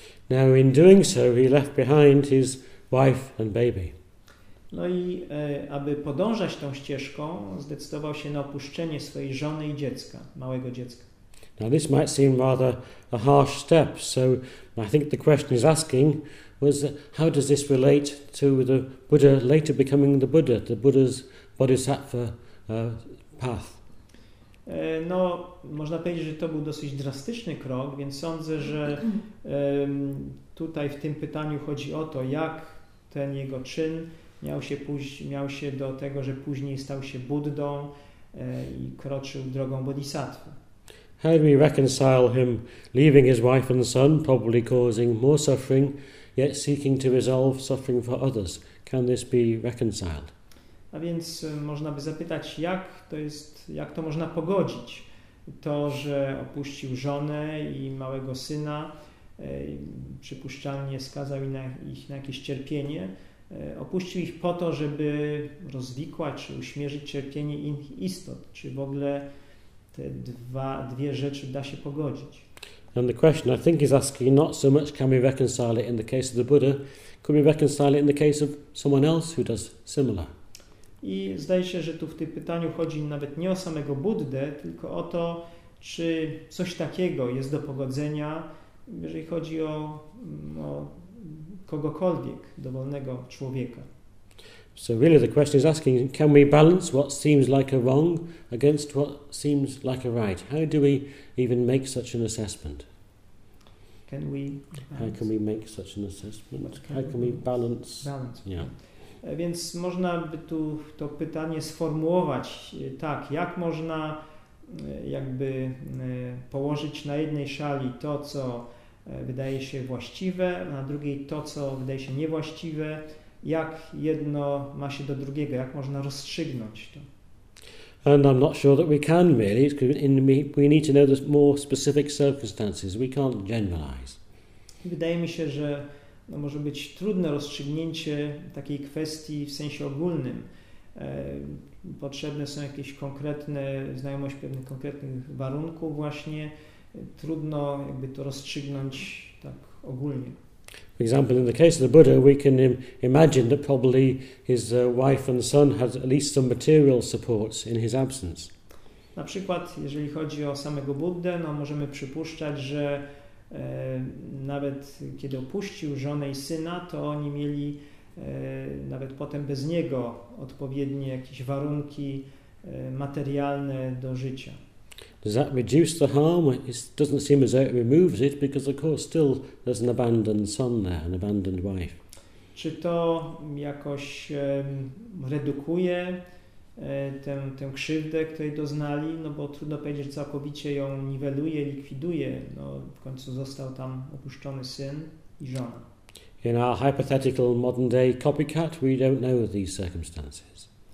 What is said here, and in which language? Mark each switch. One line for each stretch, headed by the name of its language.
English: Now in doing so he left behind his wife and baby.
Polish: No i aby podążać tą ścieżką zdecydował się na opuszczenie swojej żony i dziecka, małego dziecka.
English: Now this might seem rather a harsh step, so I think the question is asking was how does this relate to the Buddha later becoming the Buddha, the Buddha's bodhisattva path?
Polish: No, można powiedzieć, że to był dosyć drastyczny krok, więc sądzę, że tutaj w tym pytaniu chodzi o to, jak ten jego czyn miał się do tego, że później stał się Buddą i kroczył drogą bodhisattva.
English: How do we reconcile him leaving his wife and son, probably causing more suffering, yet seeking to resolve suffering for others? Can this be reconciled?
Polish: A więc można by zapytać, jak to można pogodzić? To, że opuścił żonę i małego syna, przypuszczalnie skazał ich na jakieś cierpienie, opuścił ich po to, żeby rozwikłać czy uśmierzyć cierpienie innych istot, czy w ogóle te dwie rzeczy da się pogodzić.
English: And the question I think is asking not so much can we reconcile it in the case of the Buddha, could we reconcile it in the case of someone else who does similar?
Polish: I zdaje się, że tu w tym pytaniu chodzi nawet nie o samego Buddę, tylko o to, czy coś takiego jest do pogodzenia, jeżeli chodzi o kogokolwiek, dowolnego człowieka.
English: So really the question is asking, can we balance what seems like a wrong against what seems like a right? How do we even make such an assessment? Can we balance? How can we make such an assessment? How can we balance? Yeah.
Polish: Więc można by tu to pytanie sformułować tak, jak można jakby położyć na jednej szali to, co wydaje się właściwe, na drugiej to, co wydaje się niewłaściwe. Jak jedno ma się do drugiego, jak można rozstrzygnąć to?
English: And I'm not sure that we can really. We need to know the more specific circumstances. We can't generalize.
Polish: Wydaje mi się, że może być trudne rozstrzygnięcie takiej kwestii w sensie ogólnym. Potrzebne są jakieś konkretne znajomość pewnych konkretnych warunków właśnie. Trudno jakby to rozstrzygnąć tak ogólnie.
English: For example, in the case of the Buddha, we can imagine that probably his wife and son had at least some material supports in his absence.
Polish: Na przykład, jeżeli chodzi o samego Buddę, no możemy przypuszczać, że nawet kiedy opuścił żonę i syna, to oni mieli nawet potem bez niego odpowiednie jakieś warunki materialne do życia.
English: Does that reduce the harm? It doesn't seem as though it removes it, because of course still there's an abandoned son there, an abandoned wife.
Polish: Czy to jakoś redukuje tę krzywdę, której doznali, no bo trudno powiedzieć, że całkowicie ją niweluje, likwiduje. No, w końcu został tam opuszczony syn i żona.
English: In our hypothetical modern day copycat, we don't know these circumstances.